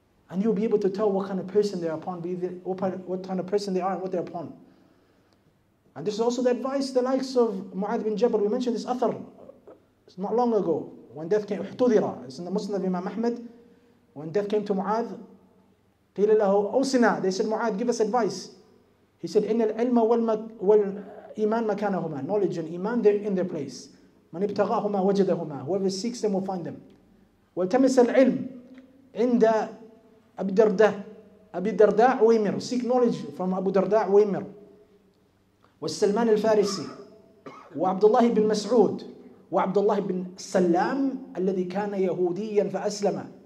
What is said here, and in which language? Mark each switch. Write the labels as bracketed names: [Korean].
[English] And you'll be able to tell what kind of person they're upon, what kind of person they are and what they're upon. And this is also the advice the likes of Mu'adh bin Jabal. We mentioned this athar not long ago. When death came, uhtudhira. It's in the Musnad of Imam Ahmad. When death came to Mu'adh, [Arabic] qila lahu awsina. [English] They said, Mu'adh, give us advice. He said, [Arabic] إِنَّ الْعِلْمَ وَالْإِمَانَ مَكَانَهُمَا. [English] Knowledge and iman, they're in their place. [Arabic] مَنْ ابْتَغَاهُمَا وَجَدَهُمَا. [English] Whoever seeks them will find them. [Arabic] وَالْتَمِسَ الْعِلْمَ عِنْدَ أَبِي دَرْدَى أَبِي دَرْدَى وَيْمِرْ. [English] Seek knowledge from Abu Darda وَيْمِرْ. [Arabic] والسلمان الفارسي وعبد الله بن مسعود وعبد الله بن سلام الذي كان يهوديا فأسلم.